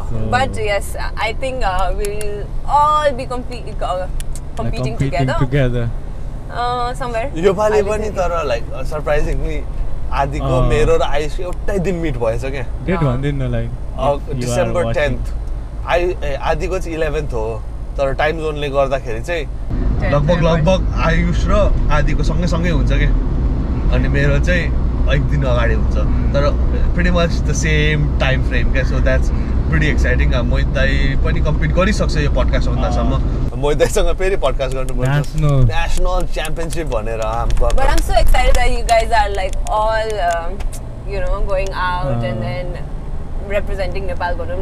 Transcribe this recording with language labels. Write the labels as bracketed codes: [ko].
[en] But yes, I think we'll all be competing together. Somewhere. You probably won't be surprisingly. [ne] आदिको मेरो र आयुषको एउटै दिन मिट भएछ क्या डेट भन्दिन न लाइक डिसेम्बर 10th आदिको चाहिँ 11th हो तर टाइम जोनले गर्दाखेरि चाहिँ लगभग आयुष र आदिको सँगै सँगै हुन्छ क्या अनि मेरो चाहिँ एक दिन अगाडि हुन्छ तर [en] pretty much the same time frame [ne] क्या [en] so that's pretty exciting [ne] मोहित दाई पनि कम्पिट गरिसक्छ यो podcast आउँदासम्म Moidaisanga peri podcast gonna [en] be national [ne] championship banera. [en] But I'm so excited that you guys are like all going out and then representing Nepal.